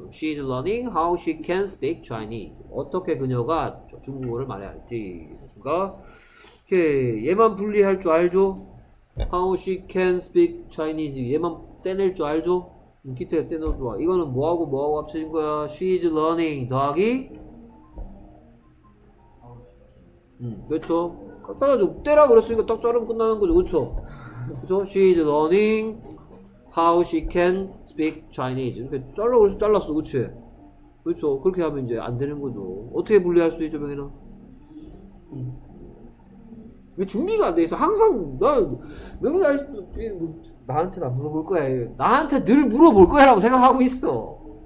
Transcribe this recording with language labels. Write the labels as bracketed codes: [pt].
[en] She is learning how she can speak Chinese. [ko] 어떻게 그녀가 중국어를 말해야 할지. 그러니까 오케이. 얘만 분리할 줄 알죠? [en] How she can speak Chinese. [ko] 얘만 떼낼 줄 알죠? 기타에 떼내도 와. 이거는 뭐하고 뭐하고 합쳐진 거야? [en] She is learning [ko] 더하기? 그쵸? 그렇죠? 떼라 그랬으니까 딱 자르면 끝나는 거죠. 그쵸? 그렇죠? 그쵸? [en] She is learning how she can speak Chinese. [ko] 이렇게 잘라 그래서 잘랐어. 그치? 그쵸? 그렇죠? 그렇게 하면 이제 안 되는 거죠. 어떻게 분리할 수 있죠, 명인아? 왜 준비가 안 돼 있어? 항상 난 명인 아저씨도 나한테 다 물어볼 거야. 나한테 늘 물어볼 거야라고 생각하고 있어.